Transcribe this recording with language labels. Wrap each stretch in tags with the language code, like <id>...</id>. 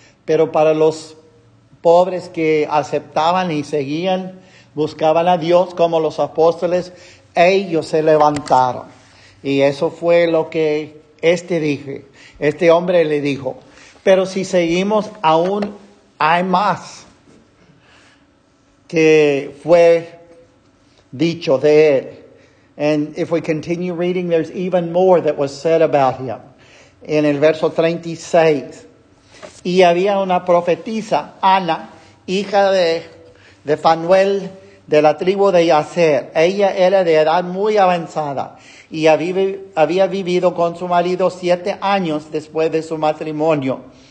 <es>Pero para los pobres que aceptaban y seguían, buscaban a Dios como los apóstoles, ellos se levantaron. Y eso fue lo que este hombre le dijo. Pero si seguimos, aún hay más que fue dicho de él.</es> <en>And if we continue reading, there's even more that was said about him.</en> <es>En el verso 36. Y había una profetisa, Ana, hija de Fanuel, de la tribu de Yaser. Ella era de edad muy avanzada y había vivido con su marido 7 años después de su matrimonio.</es>